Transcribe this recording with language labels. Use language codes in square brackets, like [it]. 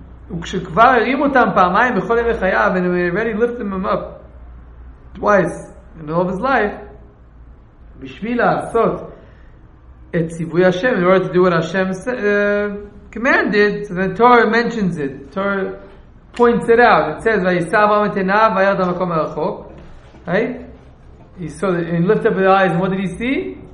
[he] וכשכבר הרים אותם פעמיים בכל ימי חייו, [en] and he already lifted them up twice in all of his life, [he] בשביל לעשות את ציווי השם, [en] in order to do what Hashem commanded, so the Torah mentions it. The Torah points it out. It says, [he] וישא אברהם את עיניו וירד למקום הרחוק. [en] Right? He saw the, and lift up his eyes, and what did he see?